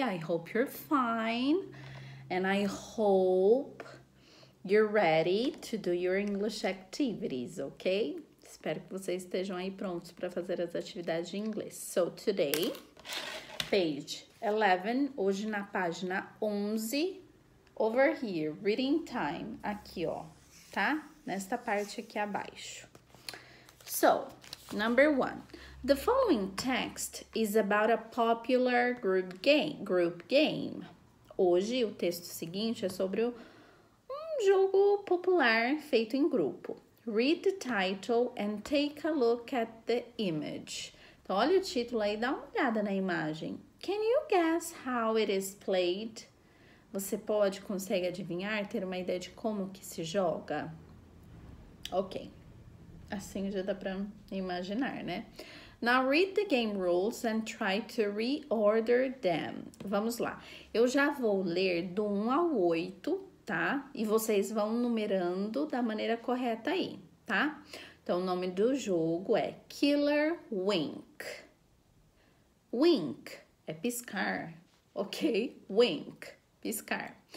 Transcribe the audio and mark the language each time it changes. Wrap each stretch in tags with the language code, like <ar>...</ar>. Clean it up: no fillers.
<en>I hope you're fine and I hope you're ready to do your English activities, ok?</en> <pt>Espero que vocês estejam aí prontos para fazer as atividades de inglês.</pt> <en>So today, page 11,</en> <pt>hoje na página 11,</pt> <en>over here, reading time,</en> <pt>aqui ó, tá? Nesta parte aqui abaixo.</pt> <en>So, number one. The following text is about a popular group game.</en> <pt>Hoje, o texto seguinte é sobre um jogo popular feito em grupo.</pt> <en>Read the title and take a look at the image.</en> <pt>Então, olha o título aí, dá uma olhada na imagem.</pt> <en>Can you guess how it is played?</en> <pt>Você pode, consegue adivinhar, ter uma ideia de como que se joga? Ok, assim já dá para imaginar, né?</pt> <en>Now read the game rules and try to reorder them.</en> <pt>Vamos lá. Eu já vou ler do 1 ao 8, tá? E vocês vão numerando da maneira correta aí, tá? Então, o nome do jogo é Killer Wink. Wink é piscar, ok? Wink, piscar.</pt>